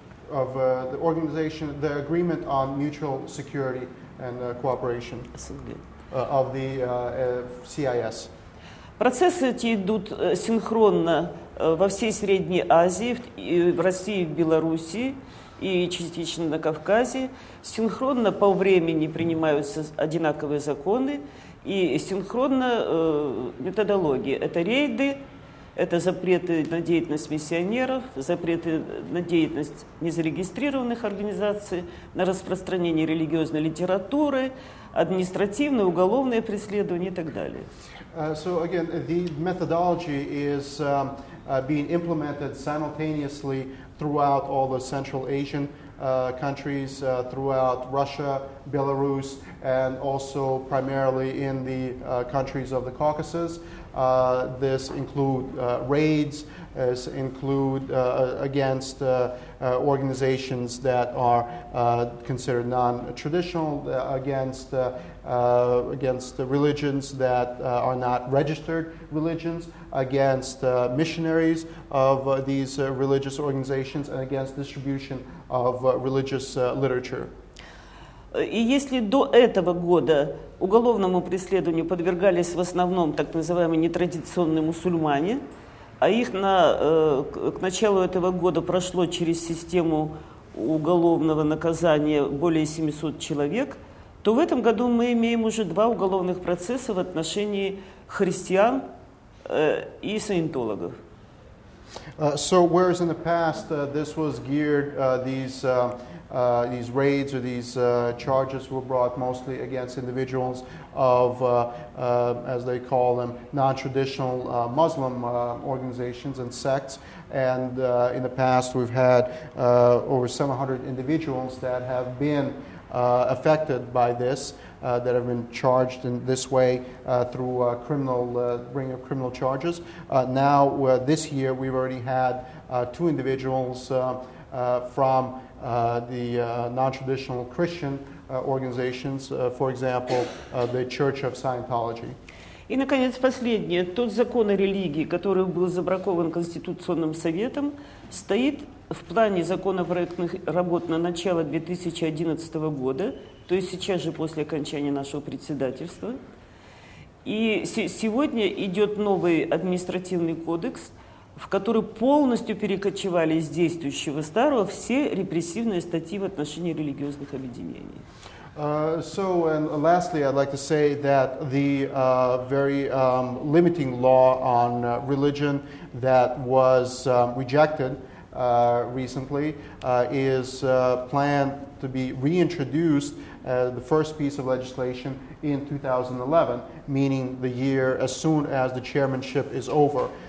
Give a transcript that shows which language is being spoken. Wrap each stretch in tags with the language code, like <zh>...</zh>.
<en>The organization, the agreement on mutual security and cooperation of the CIS.</en> <ru>Процессы эти идут синхронно во всей Средней Азии, в России, в Белоруссии и частично на Кавказе. Синхронно по времени принимаются одинаковые законы и синхронно методологии. Это рейды. Это запреты на деятельность миссионеров, запреты на деятельность незарегистрированных организаций, на распространение религиозной литературы, административное, уголовное преследование и так далее.</ru> <en>So again, the methodology is being implemented simultaneously throughout all the Central Asian countries, throughout Russia, Belarus, and also primarily in the countries of the Caucasus. This include raids, this include against organizations that are considered non-traditional, against religions that are not registered religions, against missionaries of these religious organizations, and against distribution of religious literature.</en> <ru>И если до этого года уголовному преследованию подвергались в основном так называемые нетрадиционные мусульмане, а их к началу этого года прошло через систему уголовного наказания более 700 человек, то в этом году мы имеем уже два уголовных процесса в отношении христиан и саентологов.</ru> <en>So whereas in the past this was geared, these raids or these charges were brought mostly against individuals of, as they call them, non-traditional Muslim organizations and sects. And in the past we've had over 700 individuals that have been affected by this, that have been charged in this way through a criminal bring of criminal charges. Now, this year, we've already had two individuals from the non-traditional Christian organizations, for example, the Church of Scientology.</en> <ru>И, наконец, последнее. Тот закон о религии, который был забракован Конституционным советом, стоит в плане законопроектных работ на начало 2011 года, то есть сейчас же после окончания нашего председательства. И сегодня идет новый административный кодекс, в который полностью перекочевали из действующего старого все репрессивные статьи в отношении религиозных объединений.</ru> <en>And lastly, I'd like to say that the very limiting law on religion that was rejected recently is planned to be reintroduced, the first piece of legislation, in 2011, meaning the year as soon as the chairmanship is over.</en>